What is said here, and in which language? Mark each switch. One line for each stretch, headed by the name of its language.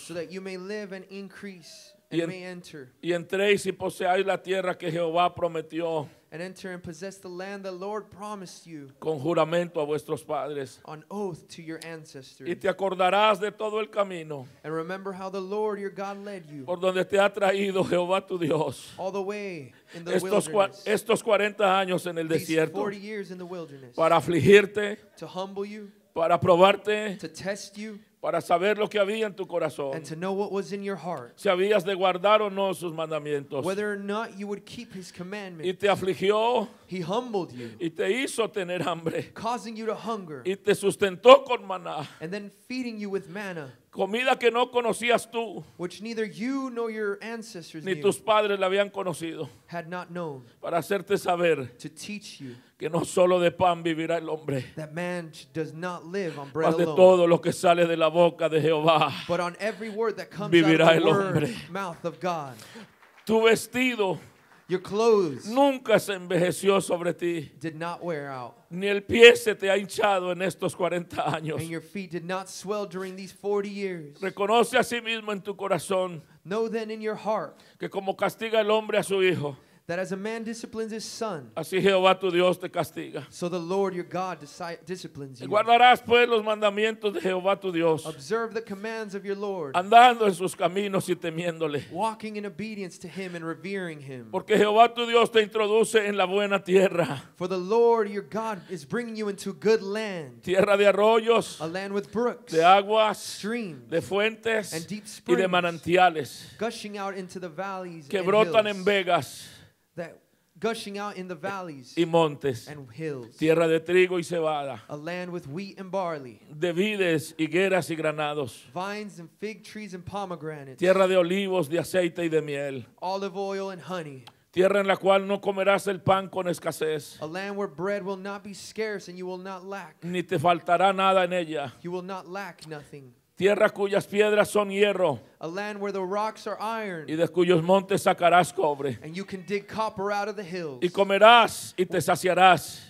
English: So that you may live and increase and may enter.
Spanish: Y entréis y poseáis la tierra que Jehová prometió.
English: And enter and possess the land the Lord promised you.
Spanish: Con juramento a vuestros padres.
English: On oath to your ancestors.
Spanish: Y te acordarás de todo el camino.
English: And remember how the Lord your God led you.
Spanish: Por donde te ha traído Jehová tu Dios.
English: All the way in the
Spanish: estos
English: wilderness.
Spanish: Estos 40 años en el desierto.
English: These 40 years in the wilderness.
Spanish: Para afligirte.
English: To humble you.
Spanish: Para probarte.
English: To test you.
Spanish: Para saber lo que había en tu corazón.
English: And to know what was in your heart.
Spanish: Si habías de guardar o no sus mandamientos.
English: Whether or not you would keep his commandments.
Spanish: Y te afligió.
English: He humbled you.
Spanish: Y te hizo tener hambre.
English: Causing you to hunger.
Spanish: Y te sustentó con maná.
English: And then feeding you with manna.
Spanish: Comida que no conocías tú.
English: Which neither you nor your ancestors
Spanish: ni tus padres la habían conocido.
English: Had not known.
Spanish: Para hacerte saber.
English: To teach you.
Spanish: Que no solo de pan vivirá el hombre.
English: That man does not live on bread alone.
Spanish: Mas de todo lo que sale de la boca de Jehová.
English: But on every word that comes
Spanish: vivirá
English: out of the mouth of God.
Spanish: Tu vestido.
English: Your clothes.
Spanish: Nunca se envejeció sobre ti.
English: Did not wear out.
Spanish: Ni el pie se te ha hinchado en estos 40 años.
English: And your feet did not swell during these 40 years.
Spanish: Reconoce a sí mismo en tu corazón.
English: Know then in your heart.
Spanish: Que como castiga el hombre a su hijo.
English: that as a man disciplines his son,
Spanish: así Jehová tu Dios te castiga.
English: So the Lord your God disciplines you.
Spanish: Guardarás pues los mandamientos de Jehová tu Dios.
English: Observe the commands of your Lord.
Spanish: Andando en sus caminos y temiéndole.
English: Walking in obedience to him and revering him.
Spanish: Porque Jehová tu Dios te introduce en la buena tierra.
English: For the Lord your God is bringing you into good land.
Spanish: Tierra de arroyos.
English: A land with brooks.
Spanish: De aguas.
English: Streams.
Spanish: De fuentes.
English: And deep springs.
Spanish: Y de manantiales.
English: Gushing out into the valleys.
Spanish: Que brotan en vegas.
English: Gushing out in the valleys
Spanish: y montes,
English: and hills,
Spanish: tierra de trigo y cebada,
English: a land with wheat and barley,
Spanish: de vides, higueras y granados,
English: vines and fig trees and pomegranates,
Spanish: tierra de olivos, de aceite y de miel,
English: olive oil and honey,
Spanish: tierra en la cual no comerás el pan con escasez,
English: a land where bread will not be scarce and you will not lack,
Spanish: ni te faltará nada en ella,
English: you will not lack nothing.
Spanish: Tierra cuyas piedras son hierro.
English: A land where the rocks are iron.
Spanish: Y de cuyos montes sacarás cobre.
English: And you can dig copper out of the hills.
Spanish: Y comerás y te saciarás.